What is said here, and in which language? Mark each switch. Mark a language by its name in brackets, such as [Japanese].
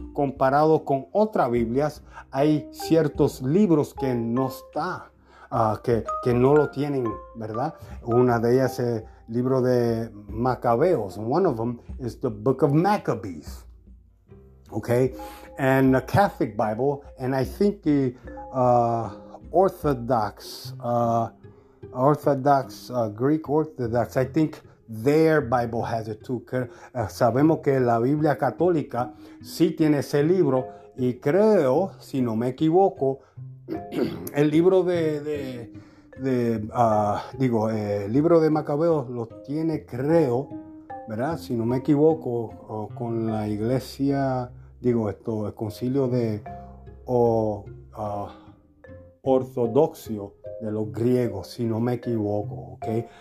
[Spanish] Comparado con otras Biblias, hay ciertos libros que no está, que no lo tienen, ¿verdad? Una de ellas es el libro de Macabeos. [English] One of them is the Book of Maccabees. Okay? And the Catholic Bible, and I think the Greek Orthodox, I think their Bible has it too. [Spanish] Sabemos que la Biblia católica sí tiene ese libro, y creo, si no me equivoco, el libro de Macabeos lo tiene, creo, ¿verdad? Si no me equivoco, con la iglesia, el concilio de ortodoxio de los griegos, si no me equivoco, ok.